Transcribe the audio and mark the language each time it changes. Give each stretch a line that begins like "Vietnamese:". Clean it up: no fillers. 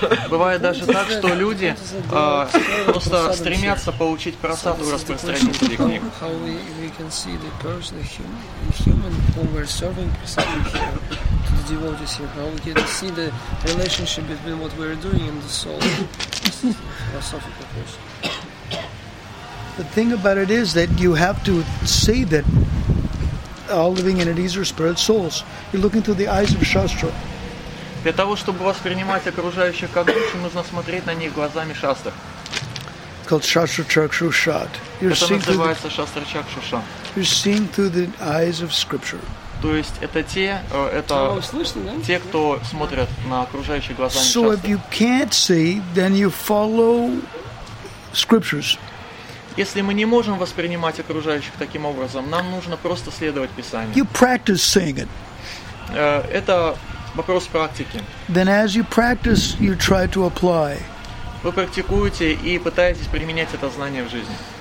Russian: Бывает даже так, что люди просто стремятся получить просад у распространителей книг.
English: How we can see the person, the human whom we're serving prasad to the devotees here? How we can see the relationship between what we're doing and the soul? Philosophical question. The thing about it is that you have to say that all living entities are spirit souls. You're looking through the eyes of Shastra.
Russian: Для того, чтобы воспринимать окружающих как души, нужно смотреть на них глазами шастр.
English: Called Shastra Chakshushat.
Russian: Это называется Shastra Chakshushat.
English: You're seeing through the eyes of scripture.
Russian: То есть это те, кто смотрят на окружающих глазами шастр.
English: So if you can't see, then you follow scriptures.
Russian: Если мы не можем воспринимать окружающих таким образом, нам нужно просто следовать Писанию.
English: You practice seeing it.
Russian: Это вопрос практики.
English: Then as you practice, you try to apply.
Russian: Вы практикуете и пытаетесь применять это знание в жизни.